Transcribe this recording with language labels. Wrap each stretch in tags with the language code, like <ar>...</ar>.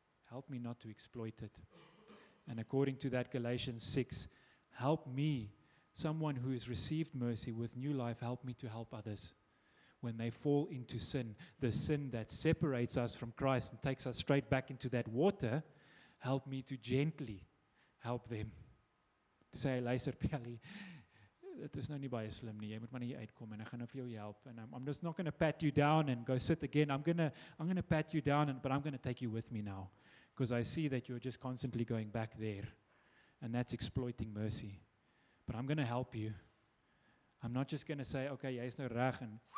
<en>Help me not to exploit it. And according to that Galatians 6, help me, someone who has received mercy with new life, help me to help others when they fall into sin, the sin that separates us from Christ and takes us straight back into that water. Help me to gently help them. To say,</en> <af>luister, Pelly, dit is nou nie baie slim nie, jy moet maar hier uitkom en ek gaan nou vir jou help.</af> <en>And I'm just not going to pat you down and go sit again. I'm going to pat you down, but I'm going to take you with me now. Because I see that you're just constantly going back there. and that's exploiting mercy. But I'm going to help you. I'm not just going to say, okay,</en> <af>jy is nou reg.</af>